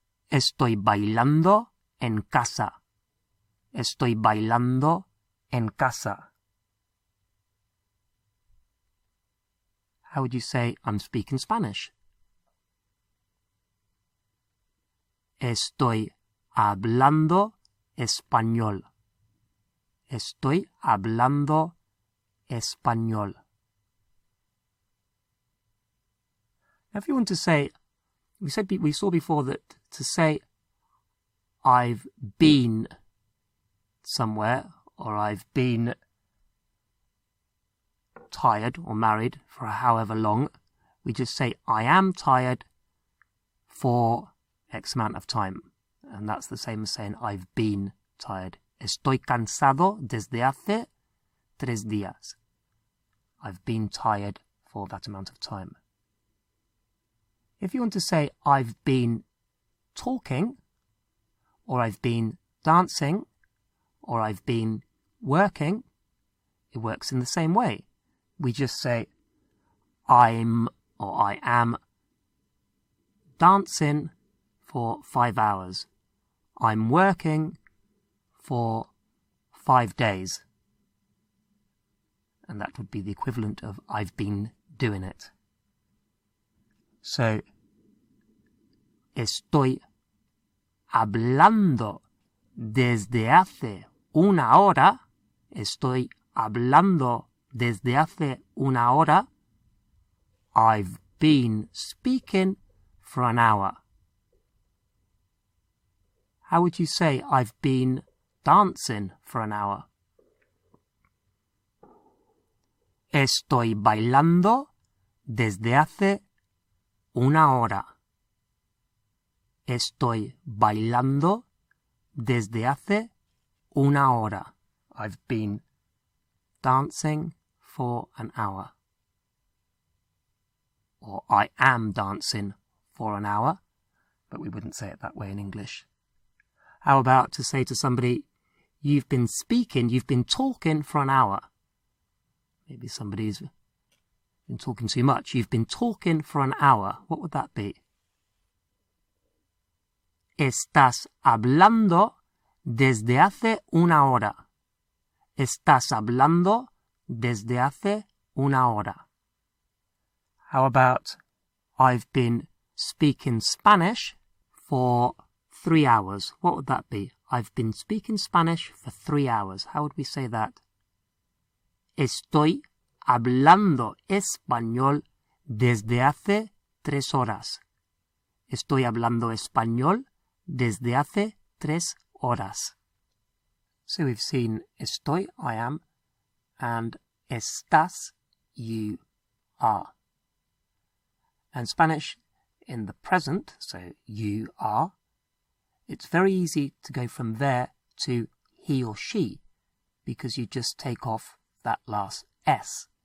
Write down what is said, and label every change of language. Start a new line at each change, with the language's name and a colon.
Spanish: Estoy bailando en casa. Estoy bailando en casa.
English: How would you say I'm speaking Spanish?
Spanish: Estoy hablando español. Estoy hablando español.
English: Now, if you want to say, we saw before that to say I've been somewhere or I've been tired or married for however long, we just say I am tired for X amount of time. And that's the same as saying I've been tired.
Spanish: Estoy cansado desde hace 3 días.
English: I've been tired for that amount of time. If you want to say I've been talking, or I've been dancing, or I've been working, it works in the same way. We just say I'm or I am dancing for 5 hours. I'm working for 5 days. And that would be the equivalent of I've been doing it.
Spanish: So, estoy hablando desde hace una hora. Estoy hablando desde hace una hora.
English: I've been speaking for an hour. How would you say I've been dancing for an hour?
Spanish: Estoy bailando desde hace una hora. Estoy bailando desde hace una hora.
English: I've been dancing for an hour. Or I am dancing for an hour. But we wouldn't say it that way in English. How about to say to somebody, you've been speaking, you've been talking for an hour? Maybe somebody's been talking too much. You've been talking for an hour. What would that be?
Spanish: Estás hablando desde hace una hora. Estás hablando desde hace una hora.
English: How about, I've been speaking Spanish for 3 hours. What would that be? I've been speaking Spanish for 3 hours. How would we say that?
Spanish: Estoy hablando español desde hace 3 horas. Estoy hablando español desde hace 3 horas.
English: So we've seen estoy, I am, and estás, you are. And Spanish in the present, so you are. It's very easy to go from there to he or she because you just take off that last S.